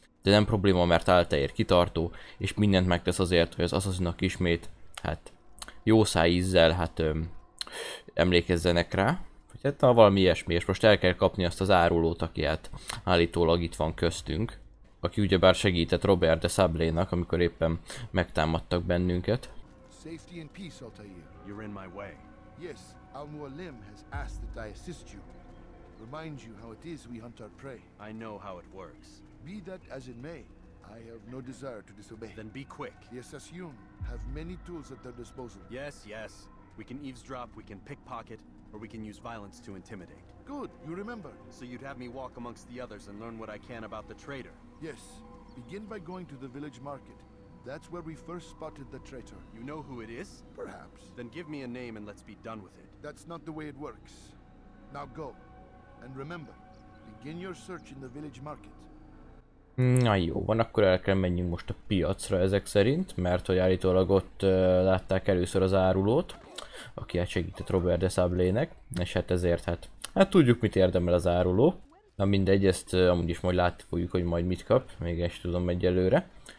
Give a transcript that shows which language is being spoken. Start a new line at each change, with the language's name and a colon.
Hungarian: De nem probléma, mert Altair kitartó, és mindent megtesz azért, hogy az asszaszinok ismét, hát jó szájízzel, hát emlékezzenek rá. Hogy hát valami ilyesmi, és most el kell kapni azt az árulót, aki hát állítólag itt van köztünk. Aki ugyebár segített Robert de Sablénak, amikor éppen megtámadtak bennünket.
English: Safety and peace, Altair. You're in my way. Yes, Al-Mualim has asked that I assist you. Remind you how it is we hunt our prey. I know how it works. Be that as it may, I have no desire to disobey. Then be quick. The Assassin have many tools at their disposal. Yes, yes. We can eavesdrop, we can pickpocket, or we can use violence to intimidate. Good, you remember. So you'd have me walk amongst the others and learn what I can about the traitor? Yes. Begin by going to the village market. That's where we first spotted the traitor. You know who it is? Perhaps. Then give me a name and let's be done with it. That's not the way it works. Now go. And remember, begin your search in the village market.
Hungarian: Na jó, van, akkor el kell menjünk most a piacra ezek szerint, mert hogy állítólag ott látták először az árulót, aki hát segített Robert de Sablé-nek, és hát ezért hát tudjuk, mit érdemel az áruló. Na mindegy, ezt amúgy is majd látni fogjuk, hogy majd mit kap, még ezt tudom egyelőre.